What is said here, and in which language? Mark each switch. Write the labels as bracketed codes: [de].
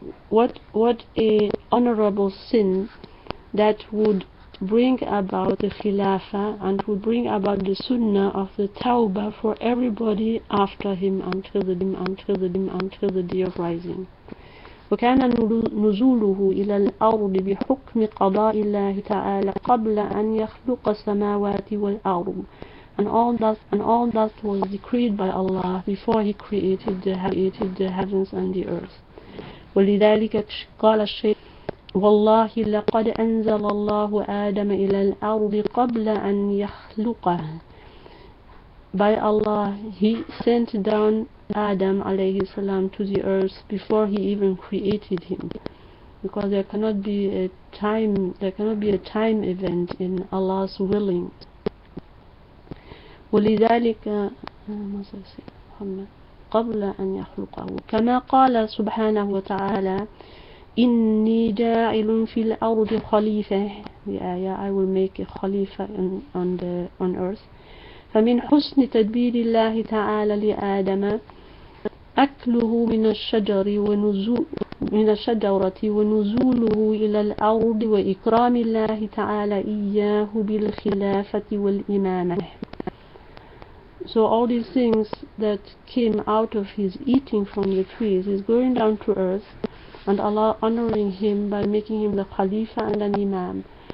[en] What a honorable sin that would bring about the Khilafah and would bring about the Sunnah of the Tawbah for everybody after him until the Day of Rising. [ar] وكان نزوله إلى الأرض بحكم قضاء الله تعالى قبل أن يخلق السماوات والأرض. [en] And all that was decreed by Allah before He created the heavens and the earth. [ar] ولذلك قال الشيخ: والله لقد أنزل الله آدم إلى الأرض قبل أن يخلقه. [en] By Allah, He sent down Adam alayhi salam to the earth before He even created him. because there cannot be a time event in Allah's willing. [ar] ولذلك محمد قبل أن يخلقه كما قال سبحانه وتعالى إني جاعل في الأرض خليفة. [en] Yeah, I will make a khalifa on earth. [ar] فمن حسن تدبير الله تعالى لآدم أكله من الشجر من الشجرة ونزوله إلى الأرض وإكرام الله تعالى إياه بالخلافة والإمامة. [en] So all these things that came out of his eating from the trees is going down to earth and Allah honoring him by making him the Khalifa and an Imam.